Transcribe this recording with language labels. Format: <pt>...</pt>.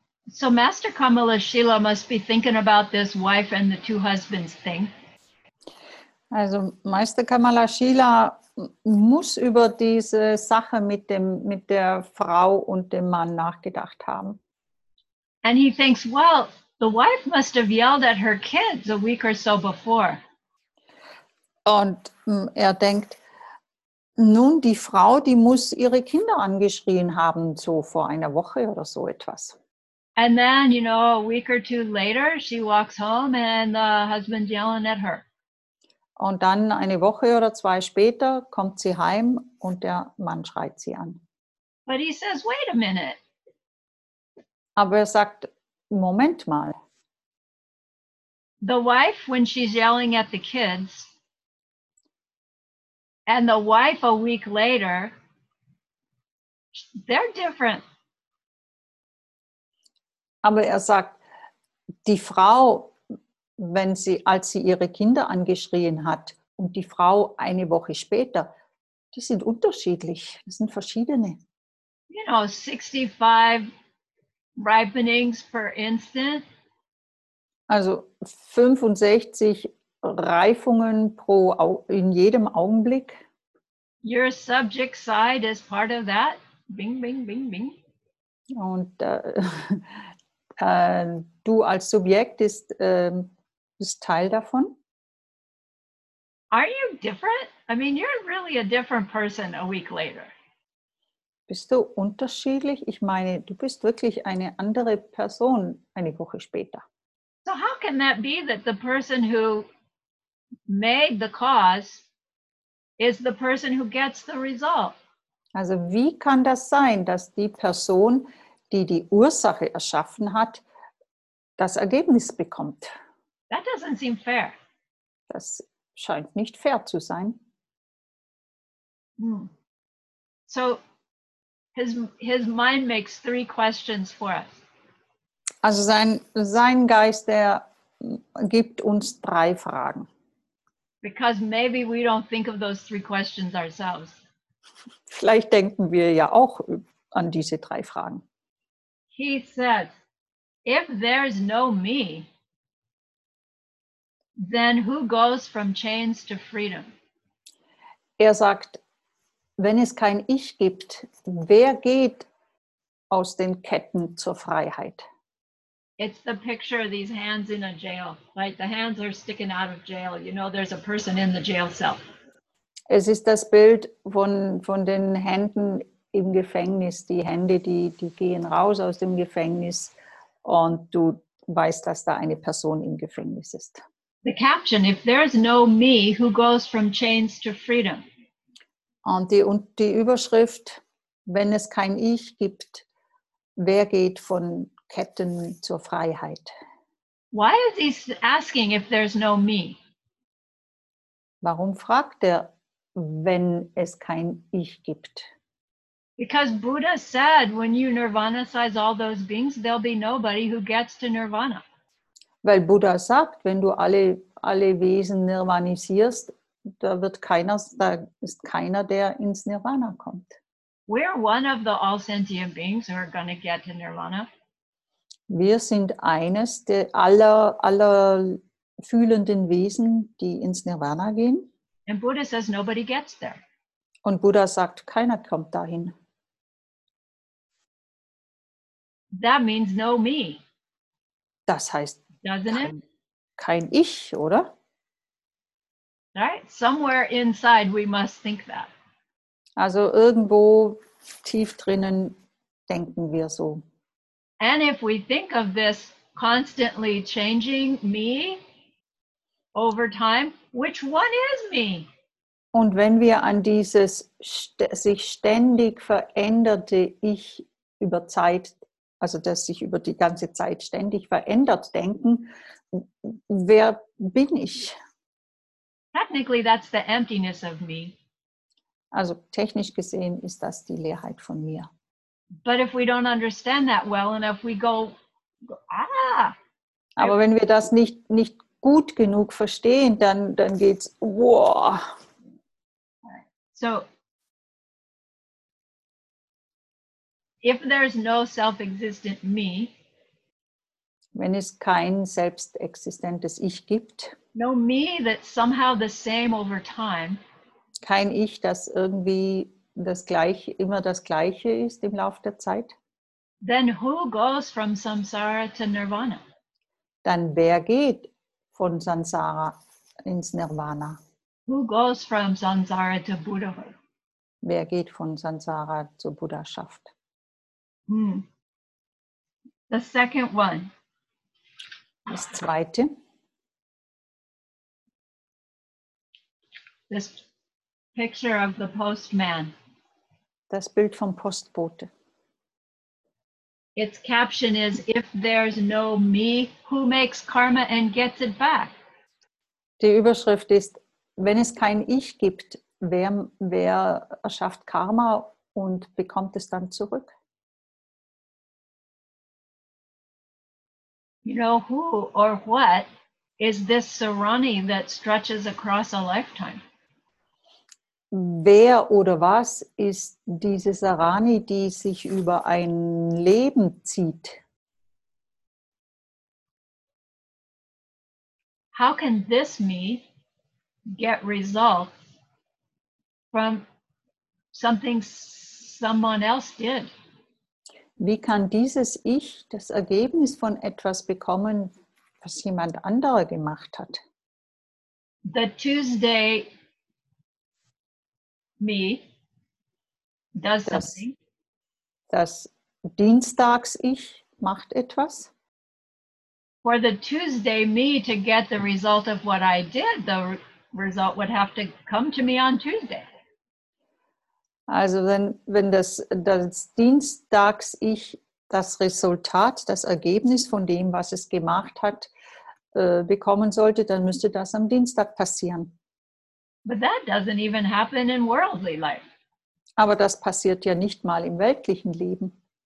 <en>So Master Kamala Shila must be thinking about this wife and the two husbands thing.</en> <de>Also Meister Kamala Shila muss über diese Sache mit der Frau und dem Mann nachgedacht haben.</de> <en>And he thinks, well, the wife must have yelled at her kids a week or so before.</en> <de>Und er denkt, nun, die Frau, die muss ihre Kinder angeschrien haben, so vor einer Woche oder so etwas.</de> <en>And then, you know, a week or two later, she walks home and the husband's yelling at her.</en> <de>Und dann eine Woche oder zwei später kommt sie heim und der Mann schreit sie an.</de> <en>But he says, wait a minute.</en> <de>Aber er sagt, Moment mal.</de> <en>The wife, when she's yelling at the kids, and the wife a week later, they're different.</en> <de>Aber er sagt, die Frau, wenn sie, als sie ihre Kinder angeschrien hat, und die Frau eine Woche später, die sind unterschiedlich, das sind verschiedene.</de> <en>You know, 65 ripenings per instant.</en> <de>Also 65 Reifungen pro in jedem Augenblick.</de> <en>Your subject side is part of that. Bing, bing, bing, bing.</en> <de>Und du als Subjekt ist, ist Teil davon.</de> <en>Are you different? I mean, you're really a different person a week later.</en> <de>Bist du unterschiedlich? Ich meine, du bist wirklich eine andere Person eine Woche später.</de> <en>So how can that be that the person who made the cause is the person who gets the result?</en> <de>Also wie kann das sein, dass die Person, die die Ursache erschaffen hat, das Ergebnis bekommt?</de> <en>That doesn't seem fair.</en> <de>Das scheint nicht fair zu sein.</de> <en>So his mind makes three questions for us.</en> <de>Also sein Geist, der gibt uns drei Fragen.</de> <en>Because maybe we don't think of those three questions ourselves.</en> <de>Vielleicht denken wir ja auch an diese drei Fragen.</de> <en>He says, if there's no me, then who goes from chains to freedom?</en> <de>Er sagt, wenn es kein Ich gibt, wer geht aus den Ketten zur Freiheit?</de> <en>It's the picture of these hands in a jail, right? The hands are sticking out of jail. You know, there's a person in the jail cell.</en> <de>Es ist das Bild von den Händen im Gefängnis. Die Hände, die gehen raus aus dem Gefängnis und du weißt, dass da eine Person im Gefängnis ist.</de> <en>The caption, if there is no me, who goes from chains to freedom?</en> <de>Und die Überschrift, wenn es kein Ich gibt, wer geht von Ketten zur Freiheit?</de> <en>Why is he asking if there's no me?</en> <de>Warum fragt er, wenn es kein Ich gibt?</de> <en>Because Buddha said, when you nirvanize all those beings, there'll be nobody who gets to nirvana.</en> <de>Weil Buddha sagt, wenn du alle Wesen nirvanisierst, da wird keiner, da ist keiner, der ins Nirvana kommt.</de> <en>We're one of the all sentient beings who are going to get to nirvana.</en> <de>Wir sind eines der aller fühlenden Wesen, die ins Nirvana gehen.</de> <en>And Buddha says nobody gets there.</en> <de>Und Buddha sagt, keiner kommt dahin.</de> <en>That means no me.</en> <de>Das heißt,</de> <en>doesn't it?</en> <de>Kein Ich, oder?</de> <en>Right? Somewhere inside we must think that.</en> <de>Also irgendwo tief drinnen denken wir so.</de> <en>And if we think of this constantly changing me over time, which one is me?</en> <de>Und wenn wir an dieses sich ständig veränderte Ich über Zeit, also das sich über die ganze Zeit ständig verändert denken, wer bin ich?</de> <en>Technically, that's the emptiness of me.</en> <de>Also technisch gesehen ist das die Leerheit von mir.</de> <en>But if we don't understand that well and if we go, ah!</en> <de>Aber wenn wir das nicht gut genug verstehen, dann geht's, whoa!</de> <en>So, If there is no self-existent me,</en> <de>wenn es kein selbstexistentes Ich gibt,</de> <en>no me that's somehow the same over time,</en> <de>kein Ich, das irgendwie das gleiche, immer das gleiche ist im Laufe der Zeit,</de> <en>then who goes from samsara to nirvana?</en> <de>Dann wer geht von Sansara ins Nirvana?</de> <en>Who goes from Sansara to Buddhahood?</en> <de>Wer geht von Sansara zur Buddhaschaft?</de> <en>The second one.</en> <de>Das zweite.</de> <en>This picture of the postman.</en> <de>Das Bild vom Postbote.</de> <en>Its caption is, if there's no me, who makes karma and gets it back?</en> <de>Die Überschrift ist, wenn es kein Ich gibt, wer erschafft Karma und bekommt es dann zurück?</de> <en>You know, who or what is this Sarani that stretches across a lifetime?</en> <de>Wer oder was ist diese Sarani, die sich über ein Leben zieht?</de> <en>How can this me get results from something someone else did?</en> <de>Wie kann dieses Ich das Ergebnis von etwas bekommen, was jemand anderer gemacht hat?</de> <en>The Tuesday me does</en> <de>das,</de> <en>something.</en> <de>Das Dienstags-Ich macht etwas.</de> <en>For the Tuesday me to get the result of what I did, the result would have to come to me on Tuesday.</en> <de>Also wenn das Dienstags-Ich das Resultat, das Ergebnis von dem, was es gemacht hat, bekommen sollte, dann müsste das am Dienstag passieren.</de> <en>But that doesn't even happen in worldly life.</en> <de>Aber das passiert ja nicht mal im weltlichen Leben.</de>